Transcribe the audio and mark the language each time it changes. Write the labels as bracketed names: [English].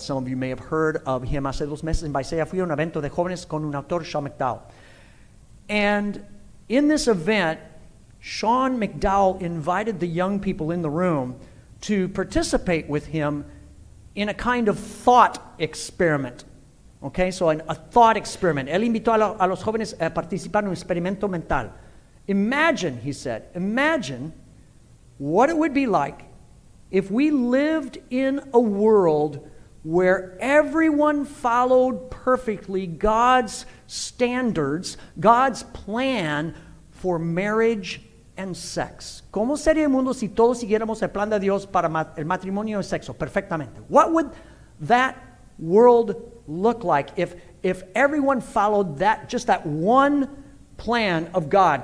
[English] Some of you may have heard of him. [Spanish] Hace dos meses en Visalia fui a un evento de jóvenes con un autor, Sean McDowell. [English] And in this event, Sean McDowell invited the young people in the room to participate with him in a kind of thought experiment, okay? So a thought experiment. [Spanish] Él invitó a los jóvenes a participar en un experimento mental. [English] Imagine, he said, imagine what it would be like if we lived in a world where everyone followed perfectly God's standards, God's plan for marriage and sex. [Spanish] ¿Cómo sería el mundo si todos siguiéramos el plan de Dios para el matrimonio y sexo perfectamente? [English] What would that world look like if everyone followed that, just that one plan of God?